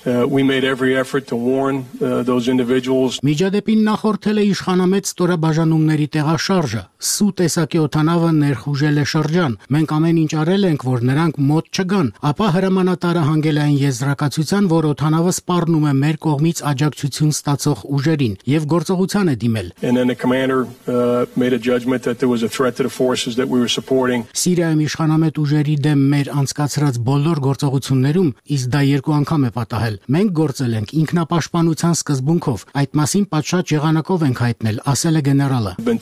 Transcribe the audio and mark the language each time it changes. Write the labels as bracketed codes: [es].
[en] We made every effort to warn those individuals. [hy] Միջադեպին նախորդել է իշխանամետ ստորաբաժանումների տեղաշարժը։ Սու տեսակի օթանավը ներխուժել է շրջան։ Մենք ամեն ինչ արել ենք, որ նրանք մոտ չգան, ապա հրամանատարը հանգել այն եզրակացության, որ օթանավը սպառնում է մեր կողմից աջակցություն ստացող ուժերին և գործողության է դիմել։ [en] And then the commander made a judgment that there was a threat to the forces that we were supporting. [hy] Սիրիայում իշխանամետ ուժերի դեմ մեր անցկացրած բոլոր գործողություններում, իսկ դա երկու անգամ է պատահել, մենք գործել ենք ինքնապաշտպանության սկզբունքով, այդ մասին պատշաճ եղանակով ենք հայտնել, ասել է գեներալը։